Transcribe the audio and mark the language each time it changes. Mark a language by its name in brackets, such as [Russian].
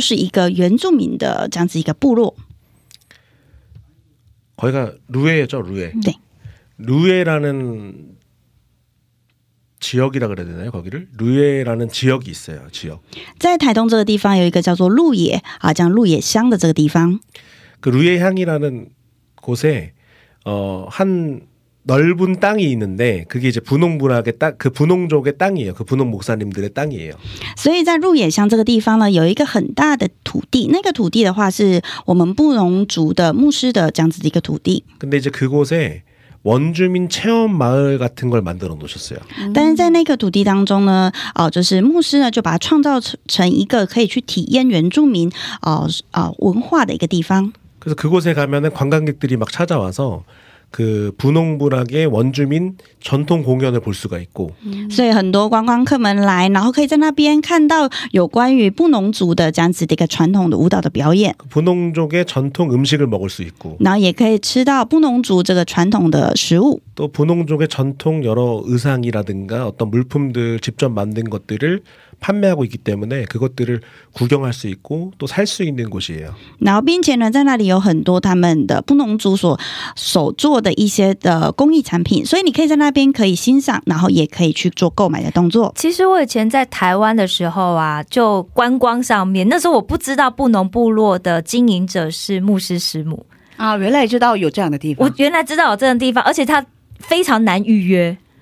[Chinese] 如果各位就是我们想到布农部落的话呢，啊，你们先想一下，这就是一个原住民的这样子一个部落。 [Korean] 거기가 루에죠, 루에. 네. 루에라는 지역이라 그래야 되나요? 거기를 루에라는 지역이 있어요. 지역. [Chinese] 在台东这个地方有一个叫做鹿野啊，叫鹿野乡的这个地方。 [Korean] 그 루에향이라는 곳에 한 넓은 땅이 있는데 그게 이제 분홍부락의 땅, 그 분홍족의 땅이에요. 그 분홍 목사님들의 땅이에요. [Chinese] 所以在鹿野乡这个地方呢，有一个很大的土地。那个土地的话，是我们布农族的牧师的这样子的一个土地。 [Korean] 근데 이제 그곳에 원주민 체험 마을 같은 걸 만들어 놓으셨어요. [Chinese] 但是在那个土地当中呢，就是牧师呢就把它创造成一个可以去体验原住民文化的一个地方。 [Korean] 그래서 그곳에 가면은 관광객들이 막 찾아와서 그 분홍부락의 원주민 전통 공연을 볼 수가 있고. [Chinese] 所以很多观光客们来，然后可以在那边看到有关于布农族的这样子的一个传统的舞蹈的表演。 [Korean] 布农족의 전통 음식을 먹을 수 있고. [Chinese] 然后也可以吃到布农族这个传统的食物。 [Korean] 또 布农족의 전통 여러 의상이라든가 어떤 물품들 직접 만든 것들을 판매하고 있기 때문에 그것들을 구경할 수 있고 또 살 수 있는 곳이에요. [Chinese] 然后并且呢，在那里有很多他们的布农族所做的一些的工艺产品，所以你可以在那边可以欣赏，然后也可以去做购买的动作。其实我以前在台湾的时候啊，就观光上面，那时候我不知道布农部落的经营者是牧师师母啊，原来知道有这样的地方，我原来知道有这样的地方，而且它非常难预约。